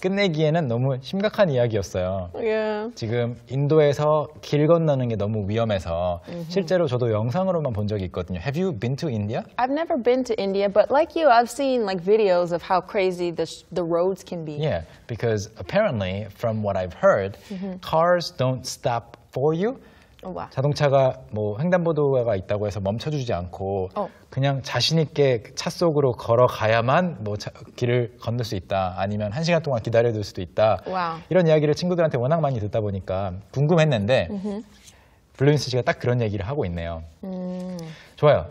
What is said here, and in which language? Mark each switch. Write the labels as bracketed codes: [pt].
[ko] 끝내기에는 너무 심각한 이야기였어요. [en] Yeah. [ko] 지금 인도에서 길 건너는 게 너무 위험해서 실제로 저도 영상으로만 본 적이 있거든요. [en] Have you been to India? I've never been to India, but like you, I've seen like videos of how crazy the roads can be. Yeah, because apparently from what I've heard, cars don't stop for you. [ko] 자동차가 뭐 횡단보도가 있다고 해서 멈춰주지 않고 그냥 자신 있게 차 속으로 걸어가야만 뭐 길을 건널 수 있다 아니면 한 시간 동안 기다려둘 수도 있다 이런 이야기를 친구들한테 워낙 많이 듣다 보니까 궁금했는데 블루인스 씨가 딱 그런 얘기를 하고 있네요. 좋아요.